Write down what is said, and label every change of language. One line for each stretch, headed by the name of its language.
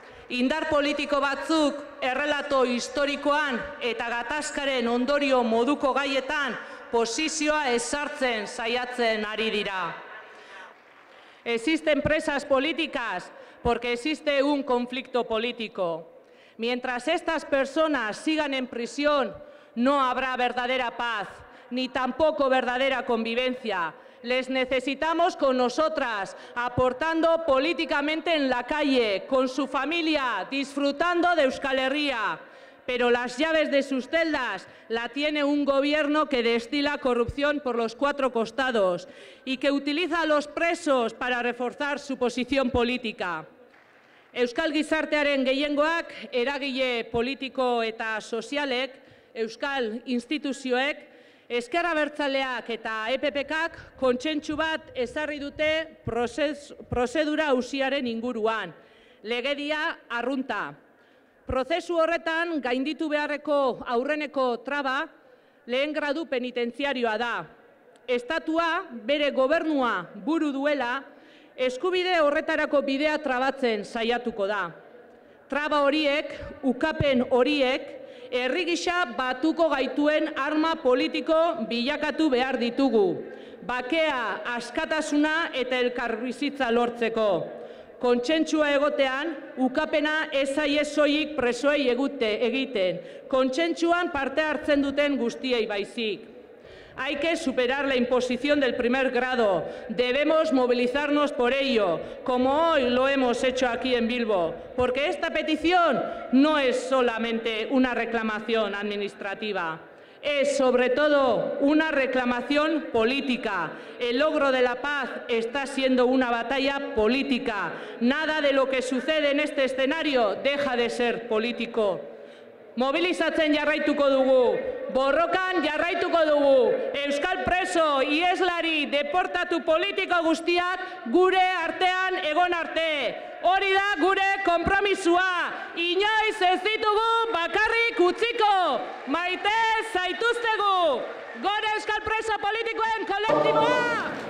Basque: Indar politiko batzuk errelato historikoan eta gatazkaren ondorio moduko gaietan posizioa ezartzen saiatzen ari dira.
Spanish: Existen presas políticas porque existe un conflicto político. Mientras estas personas sigan en prisión, no habrá verdadera paz, ni tampoco verdadera convivencia. Les necesitamos con nosotras, aportando políticamente en la calle, con su familia, disfrutando de Euskal Herria. Pero las llaves de sus celdas la tiene un gobierno que destila corrupción por los cuatro costados y que utiliza a los presos para reforzar su posición política.
Basque: Euskal gizartearen gehiengoak, eragile politiko eta sozialek, euskal instituzioek, Ezker Abertzaleak eta EPPkak kontsentsu bat ezarri dute prozedura auziaren inguruan. Legedia arrunta. Prozesu horretan gainditu beharreko aurreneko traba lehen gradu penitentziarioa da. Estatua bere gobernua buru duela, eskubide horretarako bidea trabatzen saiatuko da. Traba horiek, ukapen horiek, herri gisa batuko gaituen arma politiko bilakatu behar ditugu. Bakea, askatasuna eta elkarbizitza lortzeko. Kontsentsua egotean, ukapena ez zaie soilik presoei egiten. Kontsentsuan parte hartzen duten guztiei baizik.
Spanish: Hay que superar la imposición del primer grado. Debemos movilizarnos por ello, como hoy lo hemos hecho aquí en Bilbo, porque esta petición no es solamente una reclamación administrativa. Es, sobre todo, una reclamación política. El logro de la paz está siendo una batalla política. Nada de lo que sucede en este escenario deja de ser político.
Basque: Mobilizatzen jarraituko dugu, borrokan jarraituko dugu, euskal preso, ieslari, deportatu politiko guztiak gure artean egon arte. Hori da gure konpromisua, inoiz ez ditugu bakarrik utziko, maite zaituztegu, gore euskal preso politikoen kolektiboa!